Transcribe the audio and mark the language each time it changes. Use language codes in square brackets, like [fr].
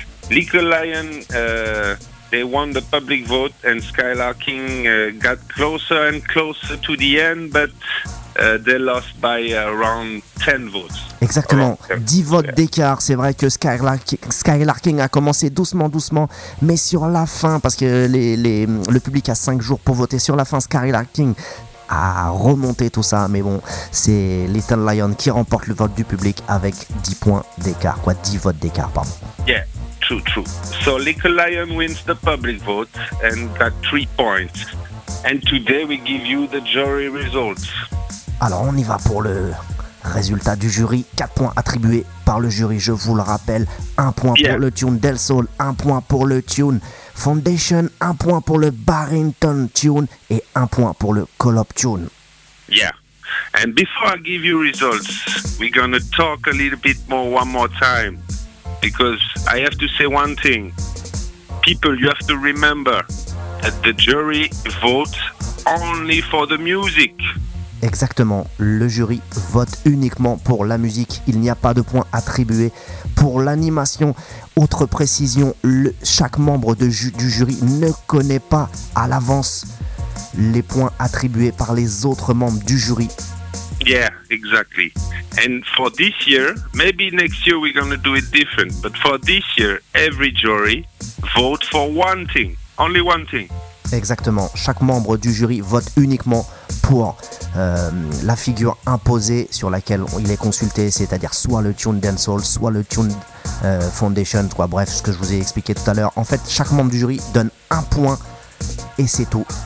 [en] Little Lion, they won the public vote and Skylarking got closer and closer to the end, but they lost by around 10 votes. [fr] Exactement, 10 votes d'écart. C'est vrai que Skylarking a commencé doucement, mais sur la fin, parce que le public a 5 jours pour voter, sur la fin, Skylarking à remonter tout ça, mais bon, c'est Little Lion qui remporte le vote du public avec 10 points d'écart, quoi, 10 votes d'écart, pardon. [en] Yeah, true. So Little Lion wins the public vote and got 3 points. And today we give you the jury results. [fr] Alors on y va pour le résultat du jury, 4 points attribués par le jury, je vous le rappelle, 1 point pour le tune Del Sol, 1 point pour le tune Foundation, 1 point pour le Barrington tune et 1 point pour le Colop tune. [en] Yeah. And before I give you results, we're going to talk a little bit more one more time because I have to say one thing. People, you have to remember that the jury votes only for the music. [fr] Exactement, le jury vote uniquement pour la musique, il n'y a pas de points attribués pour l'animation. Autre précision, chaque membre du jury ne connaît pas à l'avance les points attribués par les autres membres du jury. [en] Yeah, exactly. And for this year, maybe next year we're going to do it different, but for this year, every jury vote for one thing, only one thing. [fr] Exactement, chaque membre du jury vote uniquement pour la figure imposée sur laquelle il est consulté, c'est-à-dire soit le tune dancehall, soit le tune foundation, quoi. Bref, ce que je vous ai expliqué tout à l'heure. En fait, chaque membre du jury donne un point et c'est tout.